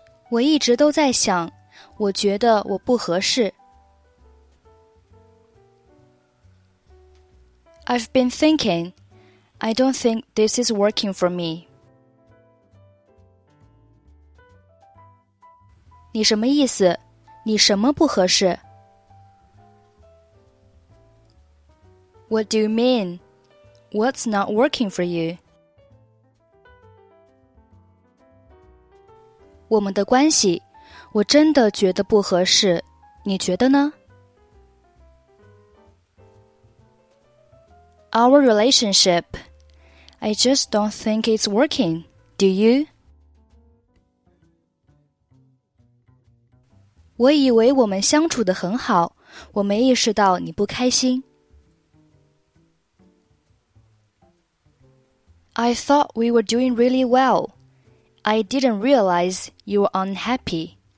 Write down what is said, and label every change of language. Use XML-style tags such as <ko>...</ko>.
<zh>我一直都在想我觉得我不合适。</zh> <en>I've been thinking, I don't think this is working for me.</en> <zh>你什么意思？你什么不合适？</zh> <en>What do you mean? What's not working for you?</en> <zh>我们的关系，我真的觉得不合适，你觉得呢？</zh> <en>Our relationship, I just don't think it's working, do you?</en> <zh>我以为我们相处得很好，我没意识到你不开心。</zh> <en>I thought we were doing really well. I didn't realize you were unhappy.</en>